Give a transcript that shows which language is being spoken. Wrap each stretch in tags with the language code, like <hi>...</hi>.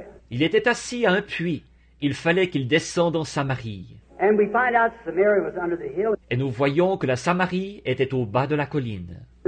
<fr>Il était assis à un puits. Il fallait qu'il descende en Samarie.</fr> <en>And we find out Samaria was under the hill.</en> <fr>Et nous voyons que la Samarie était au bas de la colline.</fr>